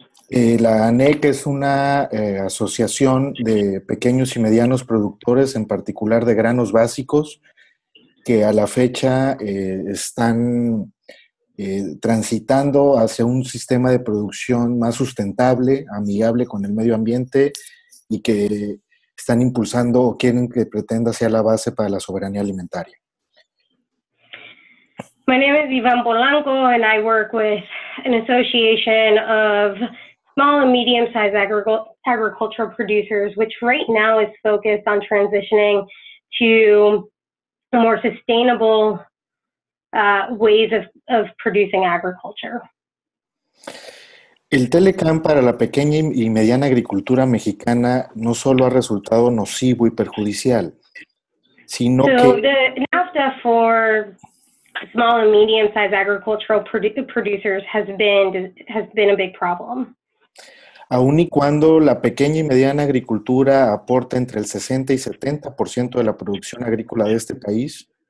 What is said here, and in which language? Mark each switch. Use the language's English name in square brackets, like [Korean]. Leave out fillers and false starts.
[Spanish] La ANEC es una asociación de pequeños y medianos productores, en particular de granos básicos, que a la fecha están transitando hacia un sistema de producción más sustentable, amigable con el medio ambiente, y que están impulsando o quieren que pretenda ser la base para la soberanía alimentaria. [English] My name is Iván Polanco, and I work with an association of small and medium-sized agricultural producers, which right now is focused on transitioning to more sustainable ways of producing agriculture. [Spanish] El Telecan para la pequeña y mediana agricultura mexicana no solo ha resultado nocivo y perjudicial, sino [English] so [Spanish] que... [English] The NAFTA for small and medium-sized agricultural producers has been a big problem. [Spanish] Aun y cuando la pequeña y mediana agricultura aporta entre el 60 y 70% de la producción agrícola de este país.